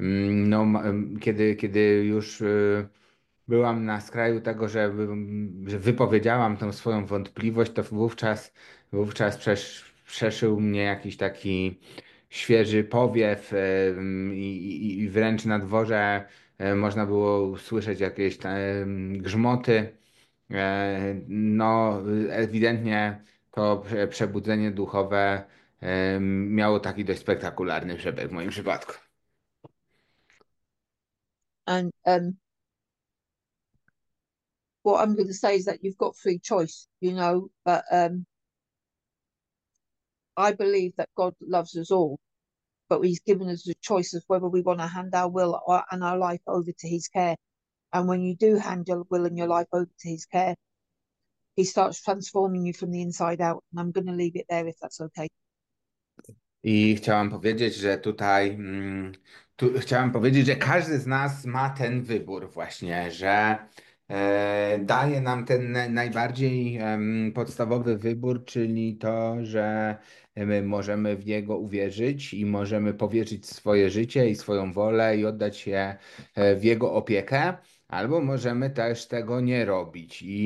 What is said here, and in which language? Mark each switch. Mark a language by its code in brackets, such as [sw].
[pl] No, kiedy już byłam na skraju tego, że wypowiedziałam tą swoją wątpliwość, to wówczas przeszył mnie jakiś taki świeży powiew, i wręcz na dworze można było usłyszeć jakieś grzmoty. No, ewidentnie to przebudzenie duchowe miało taki dość spektakularny przebieg w moim przypadku. [en] And what I'm going to say is that you've got free choice, you know, but I believe that God loves us all, but he's given us a choice of whether we want to hand our will or, and our life over to his care. And when you do hand your will and your life over to his care, he starts transforming you from the inside out. And I'm going to leave it there if that's okay. [pl] I chciałam powiedzieć, że tutaj, chciałam powiedzieć, że każdy z nas ma ten wybór właśnie, że daje nam ten najbardziej podstawowy wybór, czyli to, że my możemy w niego uwierzyć i możemy powierzyć swoje życie i swoją wolę i oddać je w jego opiekę, albo możemy też tego nie robić.